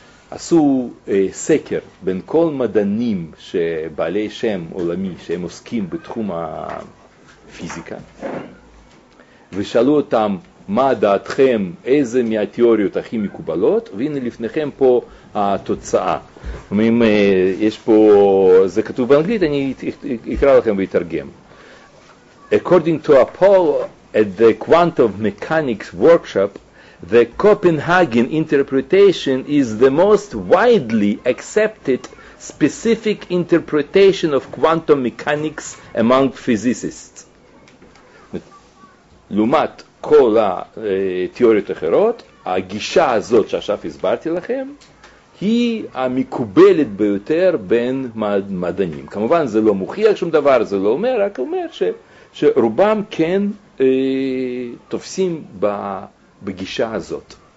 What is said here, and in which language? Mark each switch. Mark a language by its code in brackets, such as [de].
[he] עשו סקר בין כל מדענים שבעלי שם עולמי שהם עוסקים בתחום הפיזיקה ושאלו אותם מה דעתכם, איזה מהתיאוריות הכי מקובלות, והנה לפניכם פה התוצאה. אם יש פה, זה כתוב באנגלית, אני אקרא לכם ואתרגם. [en] According to a poll at the Quantum Mechanics Workshop, the Copenhagen interpretation is the most widely accepted specific interpretation of quantum mechanics among physicists. [he] לעומת כל התיאוריות אחרות, הגישה הזאת שעכשיו הסברתי לכם, היא המקובלת ביותר בין מדענים. כמובן זה לא מוכיח שום דבר, זה לא אומר, רק אומר שרובם כן תופסים בגישה הזאת.